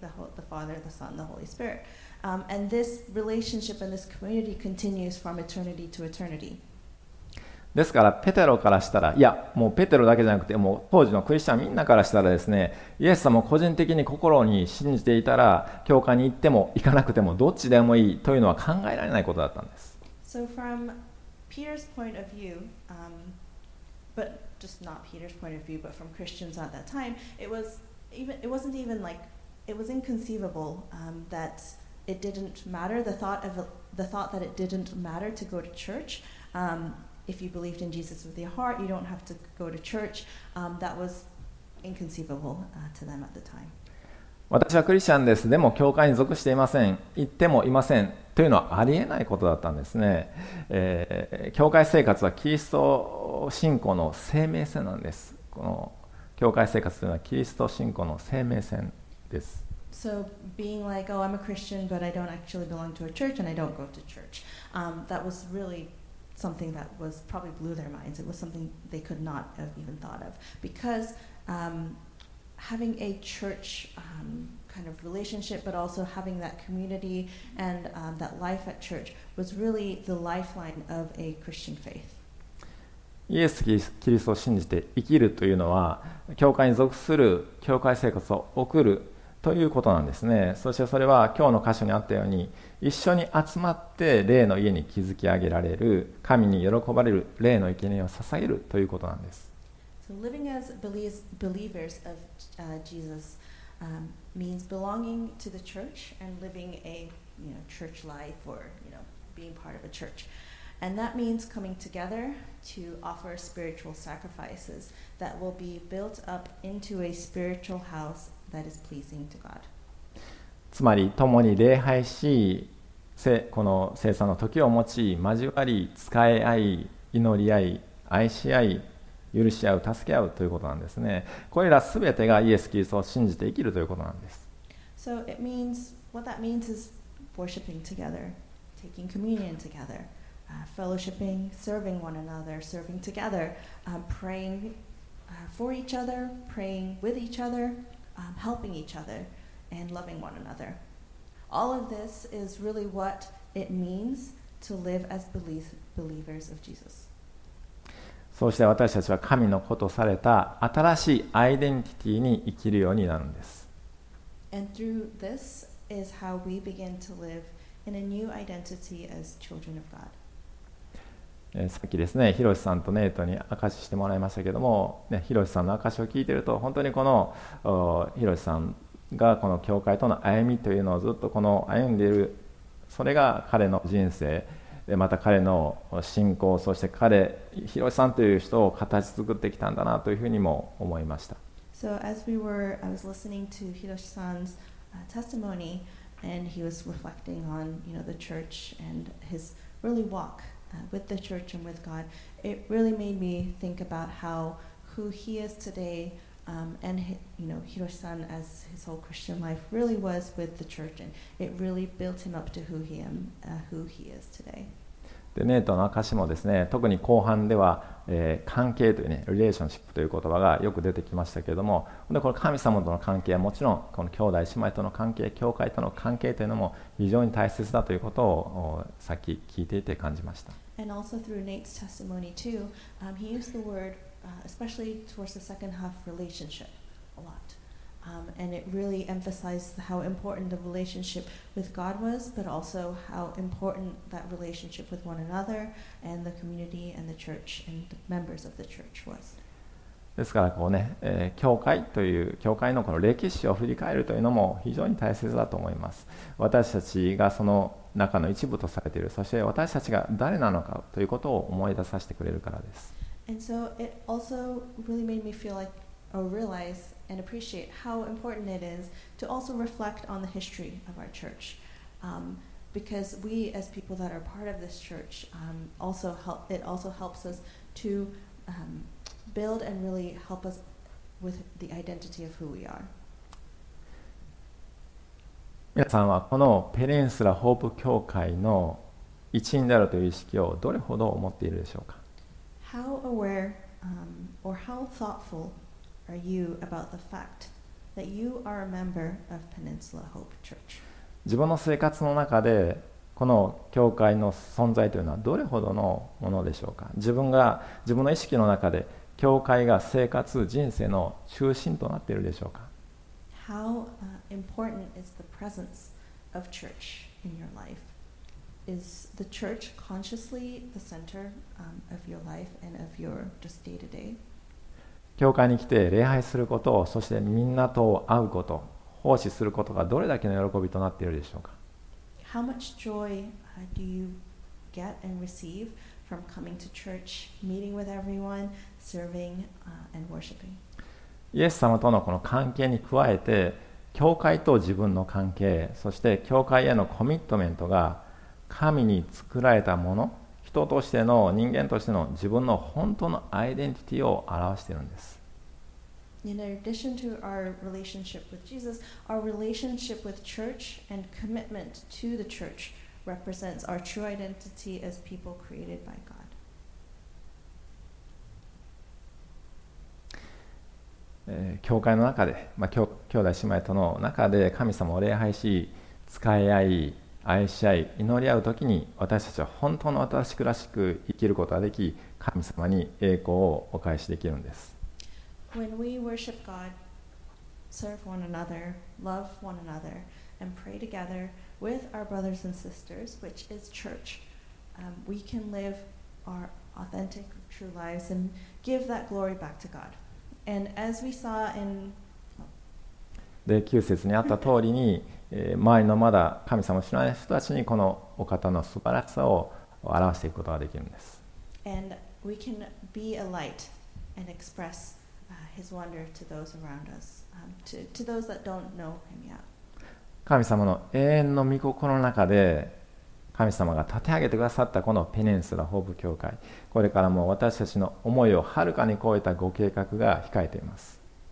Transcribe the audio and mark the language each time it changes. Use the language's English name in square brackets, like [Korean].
[English] The Father, the Son, the Holy Spirit. And this relationship and this community continues from eternity to eternity. [Japanese] ですから、ペテロからしたら、いや、もうペテロだけじゃなくて、もう当時のクリスチャンみんなからしたらですね、イエス様を個人的に心に信じていたら、教会に行っても行かなくてもどっちでもいいというのは考えられないことだったんです。 [English] So from Peter's point of view, but... just not Peter's point of view, but from Christians at that time, it was inconceivable that it didn't matter, the thought that it didn't matter to go to church. If you believed in Jesus with your heart, you don't have to go to church. That was inconceivable to them at the time. [Japanese] 私はクリスチャンです。でも教会に属していません。行ってもいません。というのはありえないことだったんですね。教会生活はキリスト信仰の生命線なんです。この教会生活というのはキリスト信仰の生命線です。 [English] So being like, oh, I'm a Christian, but I don't actually belong to a church and I don't go to church. That was really something that was probably blew their minds. It was something they could not have even thought of. Because, having a church, kind of relationship, but also having that community and, that life at church was really the lifeline of a Christian faith. [Japanese] イエス・キリストを信じて生きるというのは、教会に属する教会生活を送るということなんですね。そしてそれは今日の箇所にあったように、一緒に集まって霊の家に築き上げられる、神に喜ばれる霊の生贄を捧げるということなんです。 [English] So living as believers of Jesus means belonging to the church and living a church life or being part of a church. And that means coming together to offer spiritual sacrifices that will be built up into a spiritual house that is pleasing to God. [Japanese] つまり共に礼拝し、この聖餐の時を持ち、交わり、仕え合い、祈り合い、愛し合い、許し合う、助け合うということなんですね。これらすべてがイエス・キリストを信じて生きるということなんです。 [English] So it means, what that means is worshiping together, taking communion together, fellowshipping, serving one another, serving together, praying for each other, praying with each other, helping each other, and loving one another. All of this is really what it means to live as believers of Jesus. [Japanese] そうして私たちは神の子とされた新しいアイデンティティに生きるようになるんです。 [English] And through this is how we begin to live in a new identity as children of God. [Japanese] さっきですね、ヒロシさんとネイトに証ししてもらいましたけども、ね、ヒロシさんの証しを聞いていると、本当にこのヒロシさんがこの教会との歩みというのをずっとこの歩んでいる、それが彼の人生。また彼の信仰、そして彼、ヒロシさんという人を形作ってきたんだなというふうにも思いました。 [English] So as I was listening to Hiroshi-san's testimony, and he was reflecting on, the church and his really walk with the church and with God, it really made me think about how who he is today, and Hiroshi-san as his whole Christian life really was with the church, and it really built him up to who he is today. [Japanese] でネイトの証もですね、特に後半では、関係というね、リレーションシップという言葉がよく出てきましたけれども、でこれ神様との関係はもちろん、この兄弟姉妹との関係、教会との関係というのも非常に大切だということをさっき聞いていて感じました。 [English] And also through Nate's testimony too, he used the word, especially towards the second half, relationship a lot. And it really emphasized how important the relationship with God was, but also how important that relationship with one another and the community and the church and the members of the church was. [Japanese] ですからこうね、教会という教会のこの歴史を振り返るというのも非常に大切だと思います。私たちがその中の一部とされている、そして私たちが誰なのかということを思い出させてくれるからです。 [English] And so it also really made me feel like or realize. And appreciate how important it is to also reflect on the history of our church, because we, as people that are part of this church, also help. It also helps us to build and really help us with the identity of who we are. [Japanese] 皆さんはこのペニンスラホープ教会の一員であるという意識をどれほど持っているでしょうか。 [English] How aware, or how thoughtful. Are you about the fact that you are a member of Peninsula Hope Church? [Japanese] 自分の生活の中でこの教会の存在というのはどれほどのものでしょうか。自分の意識の中で教会が生活、人生の中心となっているでしょうか。 [English] How important is the presence of church in your life? Is the church consciously the center of your life and of your just day to day? [Japanese] 教会に来て礼拝することを、そしてみんなと会うこと、奉仕することがどれだけの喜びとなっているでしょうか。 [English] How much joy do you get and receive from coming to church, meeting with everyone, serving, and worshiping? [Japanese] イエス様とのこの関係に加えて、教会と自分の関係、そして教会へのコミットメントが神に作られたもの、人としての、人間としての自分の本当のアイデンティティを表しているんです。 [English] In addition to our relationship with Jesus, our relationship with church and commitment to the church represents our true identity as people created by God. [Japanese] 教会の中で、まあ、兄弟姉妹との中で神様を礼拝し、仕え合い、愛し合い、祈り合うときに、私たちは本当の私らしく生きることができ、神様に栄光をお返しできるんです。 [English] When we worship God, serve one another, love one another, and pray together with our brothers and sisters, which is church, we can live our authentic, true lives and give that glory back to God. And as we saw in... [Japanese] で、9節にあった通りに、周りのまだ神様を知らない人たちにこのお方の素晴らしさを表していくことができるんです。 [English] And we can be a light and express his wonder to those around us, to those that don't know him yet. [Japanese] 神様の永遠の御心の中で神様が立て上げてくださったこのペニンスラホープ教会、これからも私たちの思いをはるかに超えたご計画が控えています。